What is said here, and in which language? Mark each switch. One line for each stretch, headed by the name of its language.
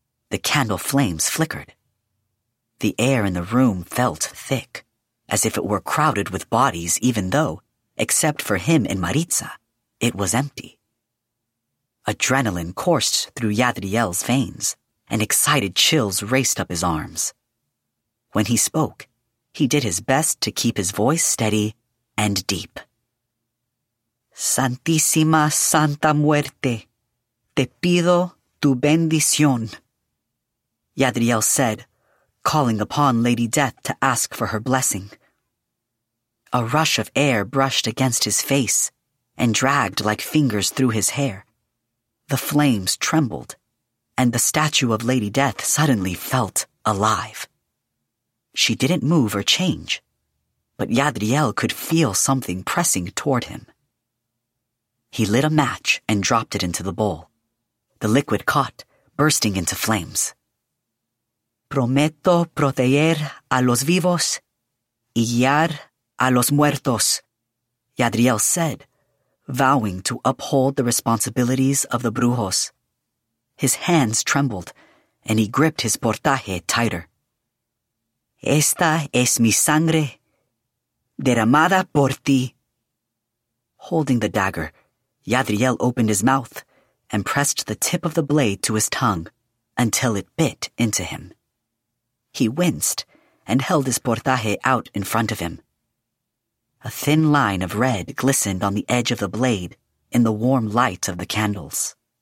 English: The candle flames flickered. The air in the room felt thick, as if it were crowded with bodies, even though, except for him and Maritza, it was empty. Adrenaline coursed through Yadriel's veins, and excited chills raced up his arms. When he spoke, he did his best to keep his voice steady and deep.
Spanish: Santísima Santa Muerte, te pido tu bendición,
English: Yadriel said, calling upon Lady Death to ask for her blessing. A rush of air brushed against his face and dragged like fingers through his hair. The flames trembled, and the statue of Lady Death suddenly felt alive. She didn't move or change, but Yadriel could feel something pressing toward him. He lit a match and dropped it into the bowl. The liquid caught, bursting into flames.
Spanish: Prometo proteger a los vivos y guiar a los muertos,
English: Yadriel said, vowing to uphold the responsibilities of the brujos. His hands trembled, and he gripped his portaje tighter.
Spanish: Esta es mi sangre, derramada por ti.
English: Holding the dagger, Yadriel opened his mouth and pressed the tip of the blade to his tongue until it bit into him. He winced and held his portaje out in front of him. A thin line of red glistened on the edge of the blade in the warm light of the candles.